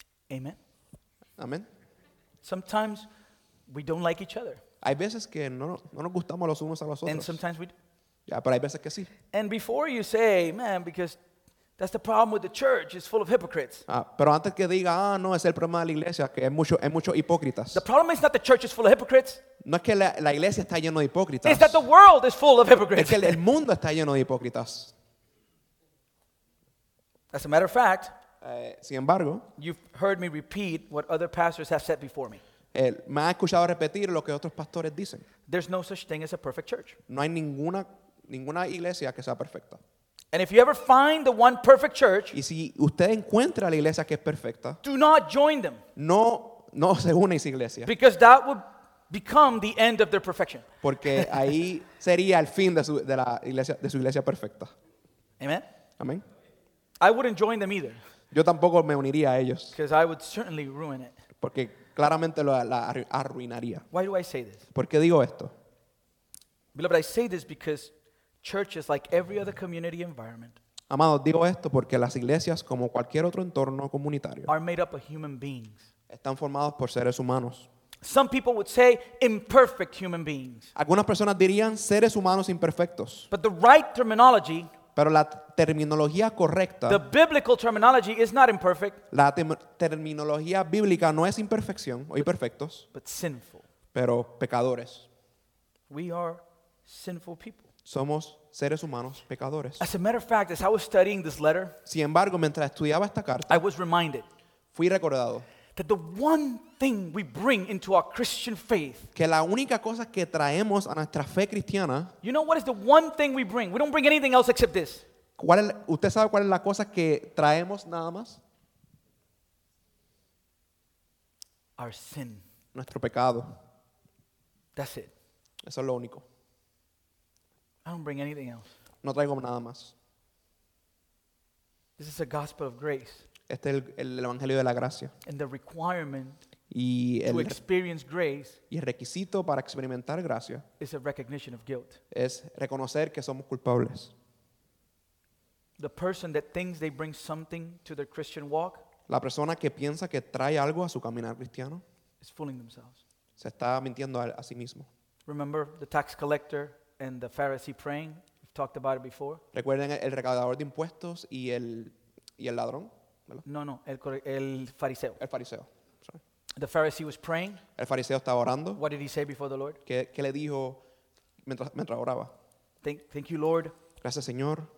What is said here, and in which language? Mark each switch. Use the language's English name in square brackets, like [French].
[English] Amen. [Spanish] Amen. [English] Sometimes we don't like each other. [Spanish] Hay veces que no nos gustamos los unos a los otros. [English] And sometimes we do. [Spanish] Yeah, pero hay veces que sí. [English] And before you say, man, because that's the problem with the church, it's full of hypocrites. [Spanish] Pero antes que diga, no, es el problema de la iglesia, que es mucho hipócritas. [English] The problem is not the church is full of hypocrites. [Spanish] No es que la iglesia está lleno de hipócritas. [English] It's that the world is full of hypocrites. [Spanish] Es que el mundo está lleno de hipócritas. [English] As a matter of fact, [Spanish] sin embargo, [English] you've heard me repeat what other pastors have said before me. [Spanish] Me ha escuchado repetir lo que otros pastores dicen. [English] There's no such thing as a perfect church. [Spanish] No hay ninguna iglesia que sea perfecta. [English] And if you ever find the one perfect church, [Spanish] y si usted encuentra la iglesia que es perfecta, [English] do not join them. [Spanish] No se une a esa iglesia. [English] Because that would become the end of their perfection. [Spanish] Porque ahí sería el fin de su iglesia perfecta. [English] Amen. [Spanish] Amen. [English] I wouldn't join them either. [Spanish] Yo tampoco me uniría a ellos. [English] Because I would certainly ruin it. [Spanish] Porque claramente la arruinaría. [English] Why do I say this? [Spanish] ¿Por qué digo esto? [English] Beloved, I say this because church is like every other community environment. [Spanish] Amado, digo esto porque las iglesias, como cualquier otro entorno comunitario, [English] are made up of human beings. [Spanish] Están formados por seres humanos. [English] Some people would say imperfect human beings. [Spanish] Algunas personas dirían seres humanos imperfectos. [English] But the right terminology, [Spanish] pero la terminología correcta, [English] the biblical terminology is not imperfect. [Spanish] La terminología bíblica no es imperfección o imperfectos. [English] But sinful. [Spanish] Pero pecadores. [English] We are sinful people. [Spanish] Somos seres humanos pecadores. [English] As a matter of fact, as I was studying this letter, [Spanish] sin embargo, mientras estudiaba esta carta, [English] I was reminded, [Spanish] fui recordado, [English] that the one thing we bring into our Christian faith, [Spanish] que la única cosa que traemos a nuestra fe cristiana, [English] you know what is the one thing we bring? We don't bring anything else except this. [Spanish] ¿Usted sabe cuál es la cosa que traemos nada más? [English] Our sin. [Spanish] Nuestro pecado. [English] That's it. [Spanish] Eso es lo único. [English] I don't bring anything else. [Spanish] No traigo nada más. [English] This is a gospel of grace. [Spanish] Este es el evangelio de la gracia. [English] And the requirement to experience grace, [Spanish] y el requisito para experimentar gracia, [English] is a recognition of guilt. [Spanish] Es reconocer que somos culpables. [English] The person that thinks they bring something to their Christian walk, [Spanish] la persona que piensa que trae algo a su caminar cristiano, [English] is fooling themselves. [Spanish] Se está mintiendo a sí mismo. [English] Remember the tax collector and the Pharisee praying. We've talked about it before. [Spanish] ¿Recuerdan el recaudador de impuestos y el ladrón? No, el fariseo. El fariseo. Sorry. [English] The Pharisee was praying. [Spanish] El fariseo estaba orando. [English] What did he say before the Lord? [Spanish] ¿Qué le dijo mientras oraba? [English] Thank you, Lord. [Spanish] Gracias, Señor.